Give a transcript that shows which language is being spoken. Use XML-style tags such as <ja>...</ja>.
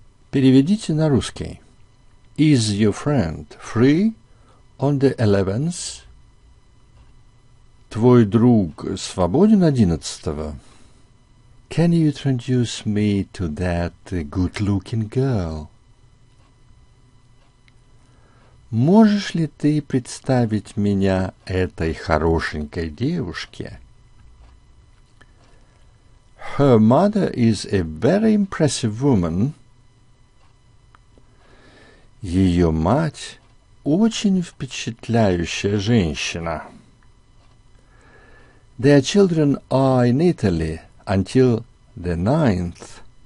<ru>Переведите на русский.</ru> <en>Is your friend free on the 11th?</en> <ru>Твой друг свободен 11-го?</ru> <en>Can you introduce me to that good-looking girl?</en> <ru>Можешь ли ты представить меня этой хорошенькой девушке?</ru> <en>Her mother is a very impressive woman.</en> <ru>Ее мать очень впечатляющая женщина.</ru> <en>Their children are in Italy until the 9th.</en>